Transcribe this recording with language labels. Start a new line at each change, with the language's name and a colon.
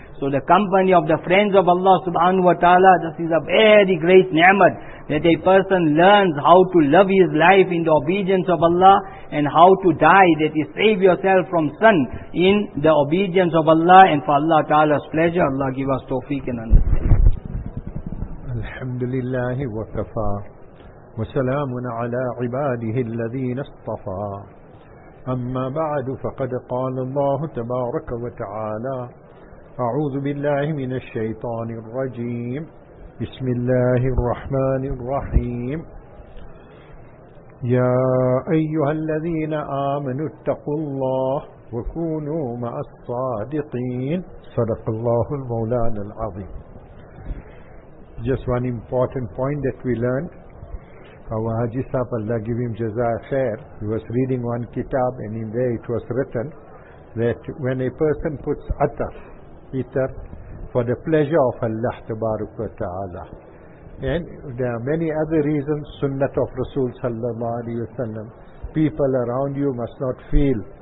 English: So the company of the friends of Allah subhanahu wa ta'ala, this is a very great ni'mat, that a person learns how to love his life in the obedience of Allah, and how to die, that is, save yourself from sin in the obedience of Allah, and for Allah ta'ala's pleasure, Allah give us tawfiq and understanding.
Arabic: الحمد لله وكفى وسلام على عباده الذين اصطفى أما بعد فقد قال الله تبارك وتعالى أعوذ بالله من الشيطان الرجيم بسم الله الرحمن الرحيم يا أيها الذين آمنوا اتقوا الله وكونوا مع الصادقين صدق الله المولانا العظيم.
English: Just one important point that we learned. Our Haji Sahib, Allah give him jazaa khair, he was reading one kitab, and in there it was written that when a person puts itar for the pleasure of Allah tabarak wa ta'ala, and there are many other reasons, sunnat of Rasul sallallahu alayhi wa sallam, people around you must not feel